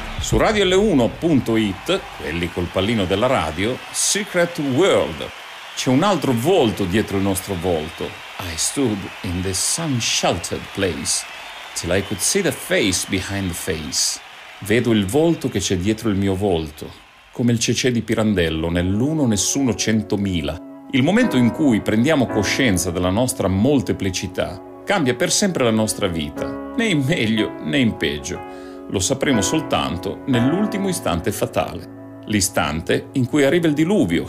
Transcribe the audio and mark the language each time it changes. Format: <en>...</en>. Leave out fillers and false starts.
<it>su radioL1.it, quelli col pallino della radio, Secret World. C'è un altro volto dietro il nostro volto.</it> <en>I stood in the sun-sheltered place till I could see the face behind the face.</en> <it>Vedo il volto che c'è dietro il mio volto, come il cece di Pirandello nell'uno nessuno centomila. Il momento in cui prendiamo coscienza della nostra molteplicità cambia per sempre la nostra vita, né in meglio né in peggio. Lo sapremo soltanto nell'ultimo istante fatale, l'istante in cui arriva il diluvio.</it>